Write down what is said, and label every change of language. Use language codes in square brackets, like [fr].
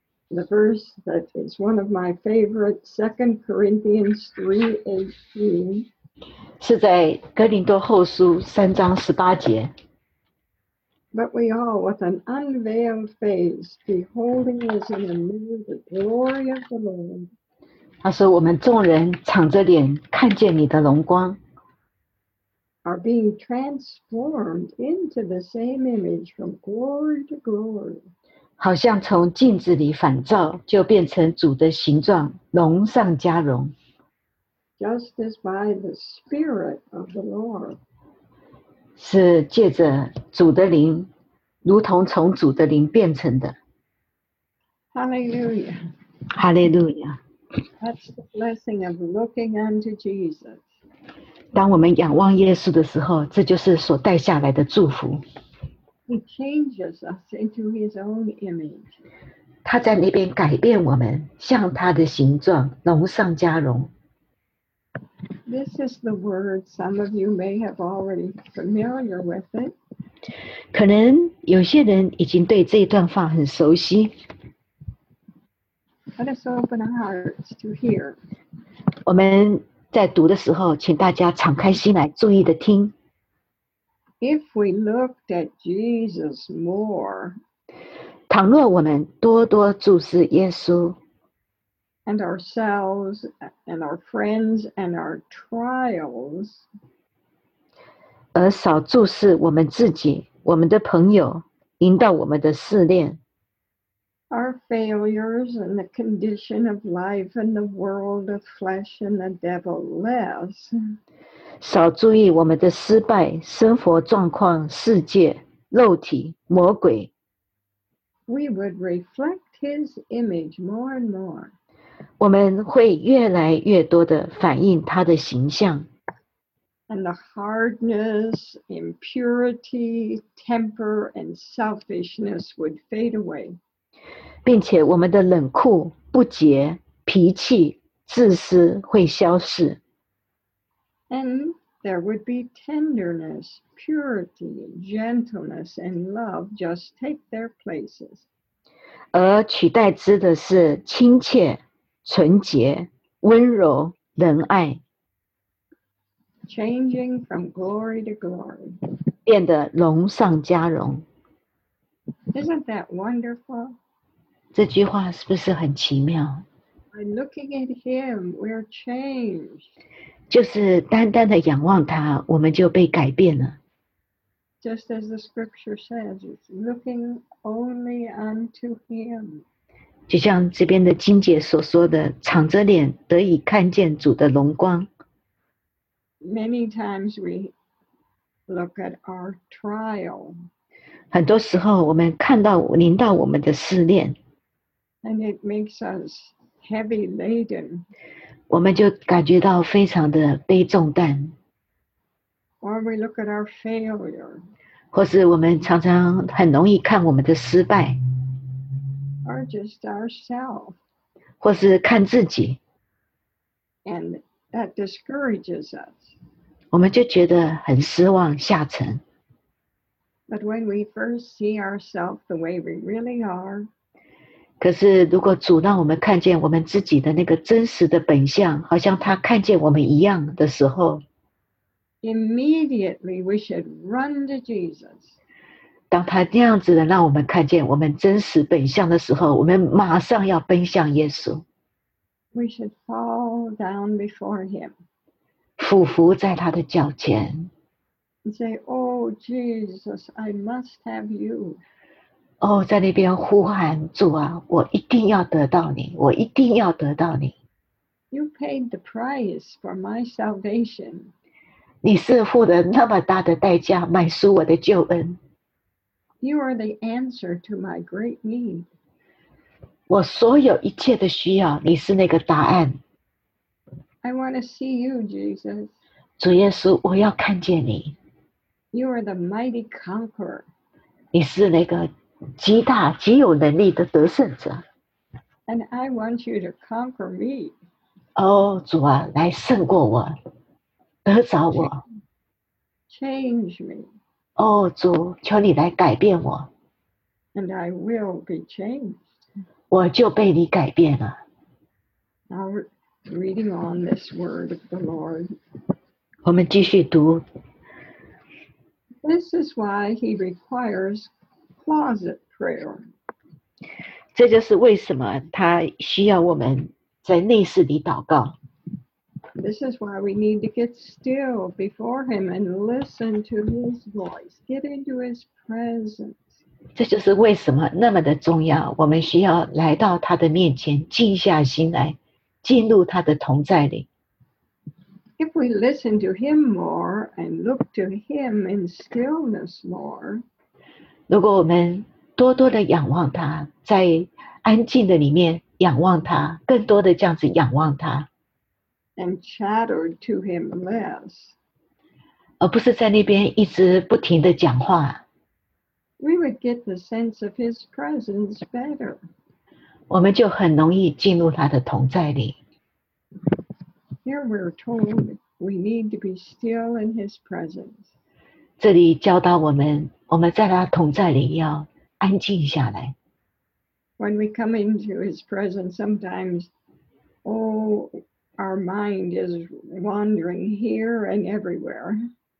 [en] The verse that is one of my favorite, 2 Corinthians 3:18. [zh] 是在哥林多后书3:18。 [en] But we all, with an unveiled face, beholding as in a mirror the glory of the Lord. [zh] 他说我们众人敞着脸看见你的荣光。 [en] are being transformed into the same image from glory to glory. [zh] 好像从镜子里反照，就变成主的形状，荣上加荣。 [en] Just as by the Spirit of the Lord. [zh] 是借着主的灵，如同从主的灵变成的。 [en] Hallelujah. Hallelujah. That's the blessing of looking unto Jesus. [zh] 当我们仰望耶稣的时候，这就是所带下来的祝福。 [en] He changes us into His own image. [zh] 他在那边改变我们，像他的形状，荣上加荣。 [en] This is the word some of you may have already familiar with it. [zh] 可能有些人已经对这段话很熟悉。 [en] Let us open our hearts to hear. [zh] 我们在读的时候，请大家敞开心来，注意的听。 [en] If we looked at Jesus more, [zh] 倘若我们多多注视耶稣 [en] and ourselves and our friends and our trials, [zh] 而少注视我们自己，我们的朋友，引导我们的试炼 [en] our failures and the condition of life and the world of flesh and the devil less, [zh] 少注意我们的失败、生活状况、世界、肉体、魔鬼。 [en] We would reflect His image more and more. [zh] 我们会越来越多的反映他的形象。 [en] And the hardness, impurity, temper, and selfishness would fade away. [zh] 并且我们的冷酷、不洁、脾气、自私会消失。 [en] And there would be tenderness, purity, gentleness, and love just take their places. [zh] 而取代之的是亲切、纯洁、温柔、仁爱。 [en] Changing from glory to glory. [zh] 变得荣上加荣。 [en] Isn't that wonderful? [zh] 这句话是不是很奇妙？ [en] By looking at Him, we're changed. [zh] 就是单单的仰望他，我们就被改变了。 [en] Just as the scripture says, it's looking only unto Him. [zh] 就像这边的经节所说的，敞着脸得以看见主的荣光。 [en] Many times we look at our trial. [zh] 很多时候我们看到临到我们的试炼。 [en] And it makes us heavy laden. [zh] 我们就感觉到非常的悲重担。 [en] Or we look at our failure. [zh] 或是我们常常很容易看我们的失败。 [en] Or just ourselves. [zh] 或是看自己。 [en] And that discourages us. [zh] 我们就觉得很失望下沉。 [en] But when we first see ourselves the way we really are, [zh] 可是如果主让我们看见我们自己的那个真实的本相，好像他看见我们一样的时候， [en] Immediately we should run to Jesus. [zh] 当他这样子的让我们看见我们真实本相的时候，我们马上要奔向耶稣。 [en] We should fall down before Him. [zh] 俯伏在他的脚前。 [en] And say, Oh Jesus, I must have you. [zh] 哦、oh, ，在那边呼喊主啊，我一定要得到你，我一定要得到你。 [en] You paid the price for my salvation. [zh] 你是付了那么大的代价买赎我的救恩。 [en] You are the answer to my great need. [zh] 我所有一切的需要，你是那个答案。 [en] I want to see you, Jesus. [zh] 主耶稣，我要看见你。 [en] You are the mighty conqueror. [zh] 你是那个。极大极有能力的得胜者。 [en] And I want you to conquer me. [zh] 哦、oh, 主啊来胜过我得着我。 [en] Change me. [zh] 哦、oh, 主求你来改变我。 [en] And I will be changed. [zh] 我就被你改变了。 [en] Now reading on this word of the Lord. [zh] 我们继续读。 [en] This is why he requires closet prayer. [zh] 这就是为什么他需要我们在内室里祷告。 [en] This is why we need to get still before him and listen to his voice. Get into his presence. [zh] 这就是为什么那么的重要，我们需要来到他的面前，静下心来，进入他的同在里。 [en] If we listen to him more and look to him in stillness more, [zh] 如果我们多多的仰望他，在安静的里面仰望他，更多的这样子仰望他。 [en] And chattered to him less. [zh] 而不是在那边一直不停的讲话。 [en] We would get the sense of his presence better. [zh] 我们就很容易进入他的同在里。 [en] Here we're told we need to be still in his presence. [zh] 这里教导我们，我们在他同在里要安静下来。 [en] When we come into his presence, sometimes, our mind is wandering here and everywhere.